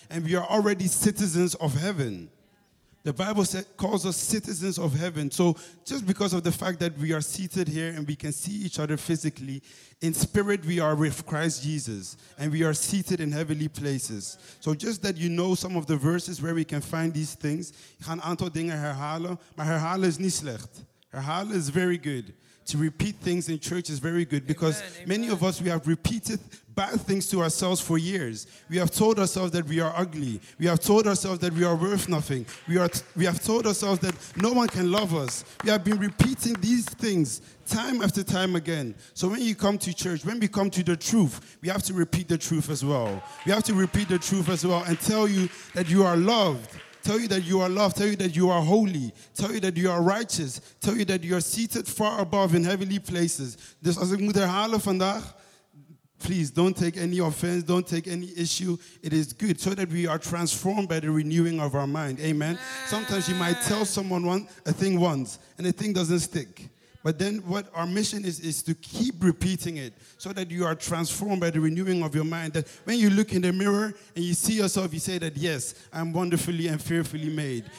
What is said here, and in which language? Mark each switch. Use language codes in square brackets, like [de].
[en] And we are already citizens of heaven. The Bible calls us citizens of heaven. So just because of the fact that we are seated here and we can see each other physically, in spirit we are with Christ Jesus and we are seated in heavenly places. So just that you know some of the verses where we can find these things, [nl] ik ga een aantal dingen herhalen, maar herhalen is niet slecht. [en] Herhalen is very good. To repeat things in church is very good because amen, amen. Many of us, we have repeated bad things to ourselves for years. We have told ourselves that we are ugly. We have told ourselves that we are worth nothing. We have told ourselves that no one can love us. We have been repeating these things time after time again. So when you come to church, when we come to the truth, we have to repeat the truth as well. We have to repeat the truth as well and tell you that you are loved. Tell you that you are loved. Tell you that you are holy. Tell you that you are righteous. Tell you that you are seated far above in heavenly places. [nl] Dus als ik moet herhalen vandaag, [en] please don't take any offense. Don't take any issue. It is good so that we are transformed by the renewing of our mind. Amen. Sometimes you might tell someone a thing once and the thing doesn't stick. But then what our mission is to keep repeating it so that you are transformed by the renewing of your mind. That when you look in the mirror and you see yourself, you say that, yes, I'm wonderfully and fearfully made.